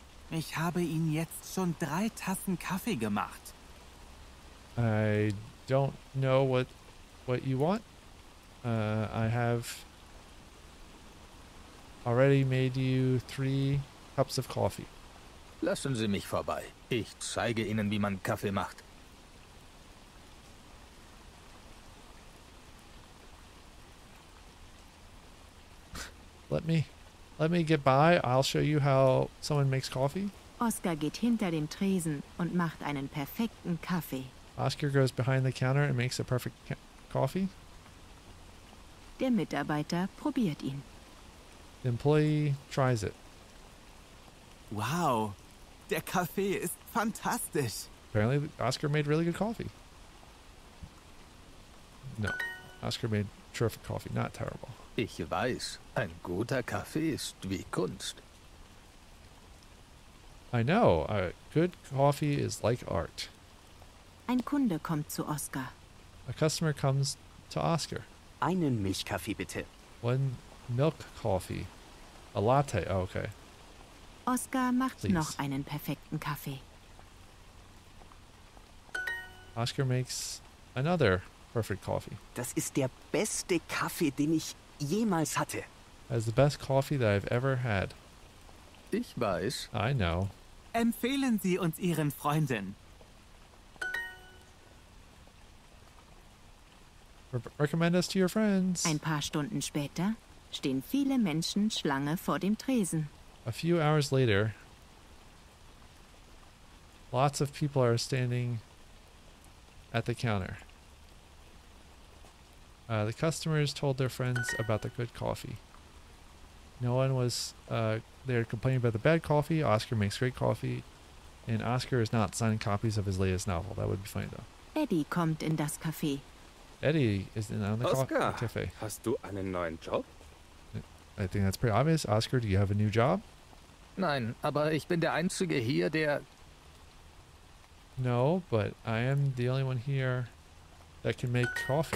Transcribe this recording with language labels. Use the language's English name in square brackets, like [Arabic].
[German] Ich habe Ihnen jetzt schon drei Tassen Kaffee gemacht. [English] I don't know what you want. I have already made you three cups of coffee. [German] Lassen Sie mich vorbei. Ich zeige Ihnen, wie man Kaffee macht. [English] Let me get by. I'll show you how someone makes coffee. [German] Oscar geht hinter den Tresen und macht einen perfekten Kaffee. [English] Oscar goes behind the counter and makes a perfect coffee. [German] Der Mitarbeiter probiert ihn. [English] The employee tries it. [German] Wow. Der Kaffee ist fantastisch. [English] Apparently, Oscar made really good coffee. No, Oscar made terrific coffee, not terrible. [German] Ich weiß, ein guter Kaffee ist wie Kunst. [English] I know, good coffee is like art. [German] Ein Kunde kommt zu Oscar. [English] A customer comes to Oscar. [German] Einen Milchkaffee, bitte. [English] One milk coffee. A latte, oh, okay. [German] Oscar macht Please. Noch einen perfekten Kaffee. [English] Oscar makes another perfect coffee. [German] Das ist der beste Kaffee, den ich jemals hatte. [English] That is the best coffee that I've ever had. [German] Ich weiß. [English] I know. [German] Empfehlen Sie uns Ihren Freunden. [English] Recommend us to your friends. [German] Ein paar Stunden später stehen viele Menschen Schlange vor dem Tresen. [English] A few hours later, lots of people are standing at the counter. The customers told their friends about the good coffee. No one was there complaining about the bad coffee. Oscar makes great coffee, and Oscar is not signing copies of his latest novel. That would be funny, though. [German] Eddie kommt in das Café. [English] Eddie is in on the [German] Café. Oscar, hast du einen neuen Job? [English] I think that's pretty obvious. Oscar, do you have a new job? [German] Nein, aber ich bin der Einzige hier, der... [English] No, but I am the only one here that can make coffee.